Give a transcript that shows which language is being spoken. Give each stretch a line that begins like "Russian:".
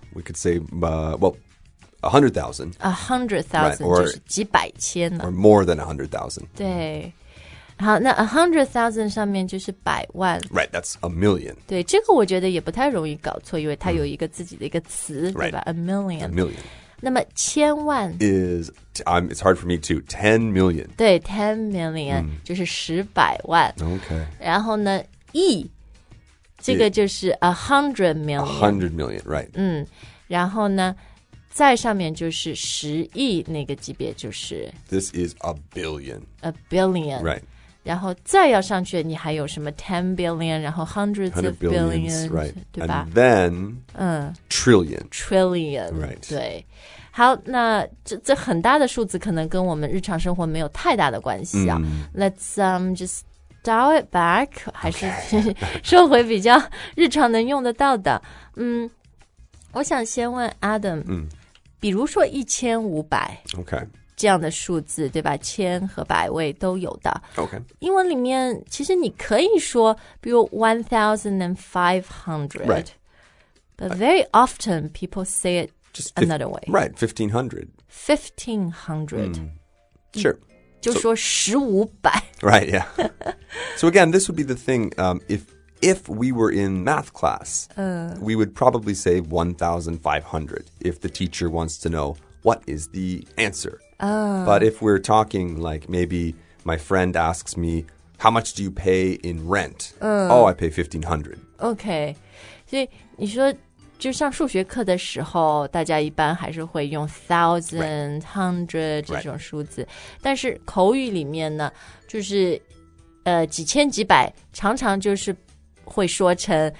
English: We could say, well, 100,000. 100,000 or
Chinese: 几百千
English: Or more than 100,000.
Chinese: 对。好，那 100,000 上面就是百万
English: Right, that's a million
Chinese: 对，这个我觉得也不太容易搞错因为它有一个自己的一个词、
English: right. 对吧 A million A million
Chinese: 那么千万
English: Is, it's hard for me too 10 million
Chinese: 对 10 million、就是十百万
English: OK
Chinese: 然后呢亿这个就是 100 million
English: 100 million, right
Chinese: 然后呢再上面就是十亿那个级别就是
English: This is a billion. A billion. Right.
Chinese: 然后再要上去你还有什么 10 billion, 然后 hundreds of
English: billions. Right.
Chinese: 对吧
English: And then, trillion. Trillion. Right.
Chinese: 对。好那 这很大的数字可能跟我们日常生活没有太大的关系啊。
English: Let's just dial it back,
Chinese: 还是、
English: okay.
Chinese: 说回比较日常能用得到的。我想先问 Adam, 比如说1500
English: okay.
Chinese: 这样的数字对吧千和百位都有的
English: okay.
Chinese: 英文里面其实你可以说比如 1500
English: right. But very often people say it just another way Right, 1500 1500 Sure
Chinese: 就说1500
English: Right, yeah So again, this would be the thing If we were in math class, we would probably say 1,500 if the teacher wants to know what is the answer. But if we're talking like maybe my friend asks me, how much do you pay in rent? I pay 1,500. Okay.
Chinese: 所以你说就上数学课的时候大家一般还是会用 1,000,
English: right.
Chinese: 100 这种数字、
English: right.
Chinese: 但是口语里面呢就是几千几百常常就是会说成